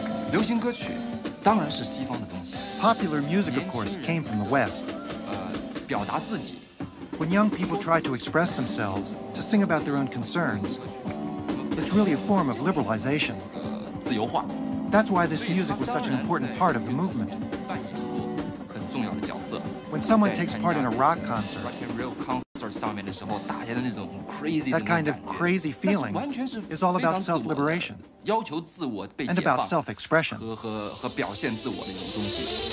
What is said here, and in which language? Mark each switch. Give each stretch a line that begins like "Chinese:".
Chinese: 流行歌曲当然是西方的东西。
English: Popular music, of course, came from the West.
Chinese: 表达自己。
English: When young people try to express themselves, to sing about their own concerns, it's really a form of liberalization.
Chinese: 自由化。
English: That's why this music was such an important part of the movement.
Chinese: 扮演很重要的角色。
English: When someone takes part in a rock concert, that kind of crazy feeling is all about self-liberation.
Chinese: 要求自我被解放
English: and about self-expression.
Chinese: 和表现自我的一种东西。